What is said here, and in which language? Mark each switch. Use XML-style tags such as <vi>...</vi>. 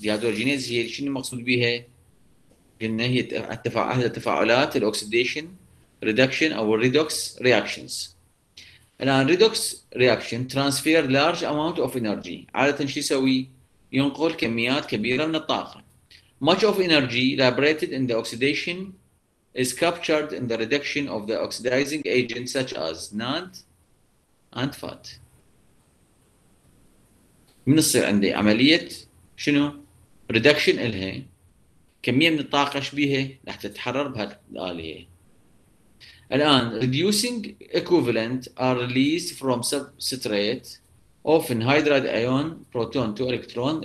<ar>dehydrogenase هي شنو مقصود بها؟ قلنا هي التفاعلات الأكسيديشن ريدكشن أو ريدوكس رياكشنز. الآن ريدوكس رياكشن transfer large amount of energy، عادة شو يسوي؟ ينقل كميات كبيرة من الطاقة.</ar> <en>much of energy liberated in the oxidation is captured in the reduction of the oxidizing agent such as NAD and FAD.</en> <ar>من الصير عندي عملية شنو؟ reduction إلها كمية من الطاقة شبيهة لح تتحرر بهالآلية.</ar> <en>الآن reducing equivalent are released from substrate often hydride ion proton to electron.</en>